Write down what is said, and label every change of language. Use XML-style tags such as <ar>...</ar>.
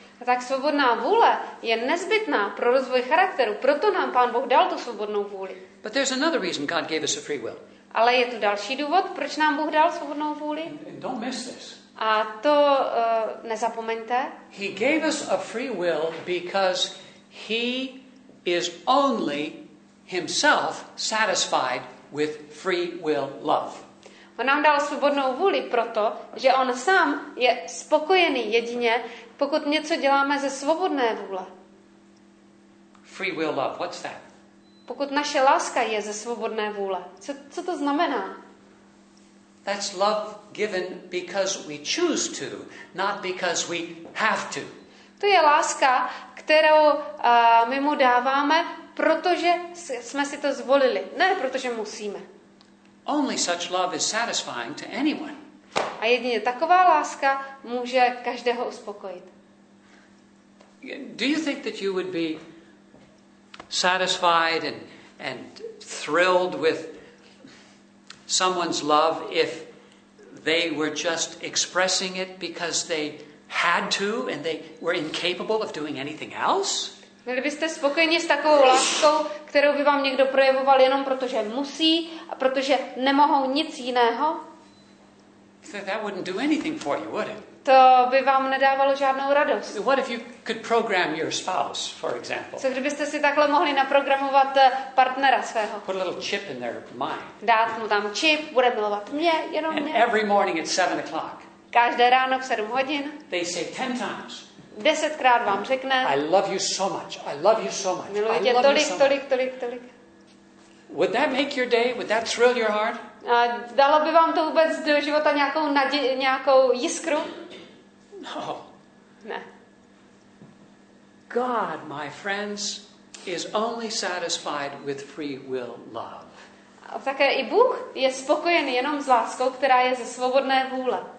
<cs>A tak svobodná vůle je nezbytná pro rozvoj charakteru, proto nám Pán Bůh dal tu svobodnou vůli.</cs> <en>But there's another reason God gave us a free will.</en> <cs>Ale je tu další důvod, proč nám Bůh dal svobodnou vůli.</cs> <en>And don't miss this.</en> <cs>A to nezapomeňte.</cs> <en>He gave us a free will because he is only himself satisfied with free will love.</en> <cs>On nám dal svobodnou vůli proto, že on sám je spokojený jedině, pokud něco děláme ze svobodné vůle.</cs> <en>Free will love, what's that?</en> <cs>Pokud naše láska je ze svobodné vůle, co to znamená?</cs> <en>That's love given because we choose to, not because we have to.</en> <cs>To je láska, kterou my mu dáváme, protože jsme si to zvolili, ne protože musíme.</cs> <en>Only such love is satisfying to anyone.</en> <cs>A jedině taková láska může každého uspokojit.</cs> <en>Do you think that you would be satisfied and thrilled with someone's love if they were just expressing it because they had to and they were incapable of doing anything else?</en> <cs>Byli byste spokojeni s takovou láskou, kterou by vám někdo projevoval jenom protože musí a protože nemohou nic jiného?</cs> <en>That wouldn't do anything for you, would it?</en> <cs>To by vám nedávalo žádnou radost.</cs> <en>What if you could program your spouse, for example?</en> <cs>Co kdybyste si takhle mohli naprogramovat partnera svého?</cs> <en>Put a little chip in their mind.</en> <cs>Dát mu tam čip, bude milovat mě, jenom and mě.</cs> <en>Every morning at 7 o'clock.</en> <cs>Každé ráno v 7 hodin.</cs> <en>They say 10 times.</en> <cs>10krát vám řekne.</cs> <en>I love you so much. I love you so much.</en> <cs>Miluji tě tolik, tolik, tolik, tolik.</cs> <en>Would that make your day? Would that thrill your heart?</en> <cs>A dalo by vám to vůbec do života nějakou naději, nějakou jiskru?</cs> <en>No.</en> <cs>Ne.</cs> <en>God, my friends, is only satisfied with free will love.</en> <cs>A také i Bůh je spokojen jenom s láskou, která je ze svobodné vůle.</cs>